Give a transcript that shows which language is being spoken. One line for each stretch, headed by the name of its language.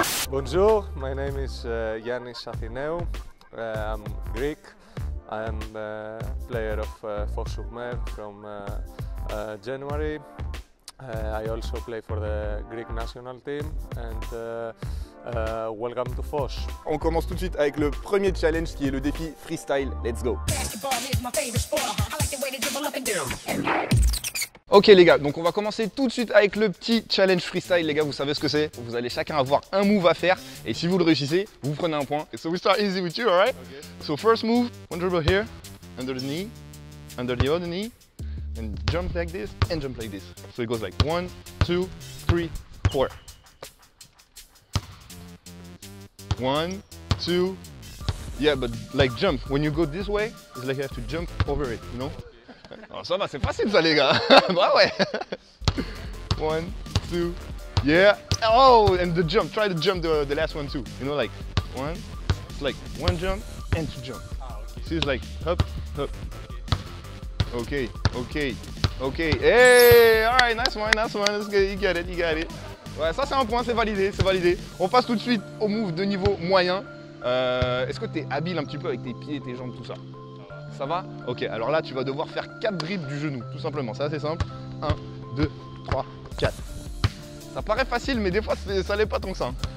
English: Bonjour, my name is Yannis Athineou, I'm Greek, I'm a player of Fos-sur-Mer from January. I also play for the Greek national team and welcome to Fos.
French: On commence tout de suite avec le premier challenge qui est le défi freestyle,
English: let's go.
French: Ok les gars, donc on va commencer tout de suite avec le petit challenge freestyle. Les gars, vous savez ce que c'est. Vous allez chacun avoir un move à faire et si vous le réussissez, vous prenez un point.
English: So we start easy with you, alright? Okay. So first move, one dribble here, under the knee, under the other knee, and jump like this, and jump like this. So it goes like 1, 2, 3, 4. 1, 2, yeah, but like jump. When you go this way, it's like you have to jump over it, you know?
French: Oh, ça va, c'est facile ça les gars. Bah ouais.
English: 1, 2, yeah. Oh, and the jump, try to jump the last one too. You know, like, one, it's like one jump and two jump. Ah, okay. See, it's like, hop, hop. Okay, okay, okay. Hey, all right, nice one, nice one. Let's get it. You got it, you got it.
French: Ouais, ça c'est un point, c'est validé, c'est validé. On passe tout de suite au move de niveau moyen. Est-ce que t'es habile un petit peu avec tes pieds, tes jambes, tout ça? Ça va? Ok, alors là, tu vas devoir faire 4 dribbles du genou, tout simplement. C'est assez simple. 1, 2, 3, 4. Ça paraît facile, mais des fois, ça l'est pas tant que ça.